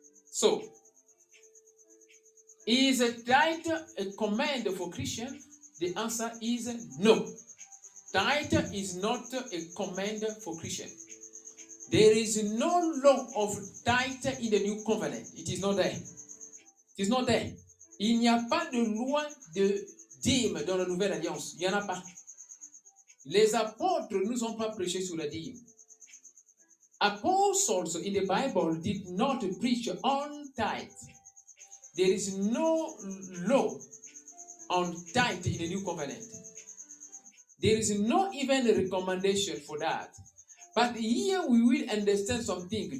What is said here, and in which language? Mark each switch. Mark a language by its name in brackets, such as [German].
[English] So, is a tithe a command for Christians? The answer is no. Tithe is not a command for Christians. There is no law of tithe in the new covenant. It is not there. It He's not there. [French] Il n'y a pas de loi de dîme dans la Nouvelle Alliance. Il n'y en a pas. Les apôtres ne nous ont pas prêché sur la dîme. [English] Apostles in the Bible did not preach on tithe. There is no law on tithe in the New Covenant. There is no even recommendation for that. But here we will understand something.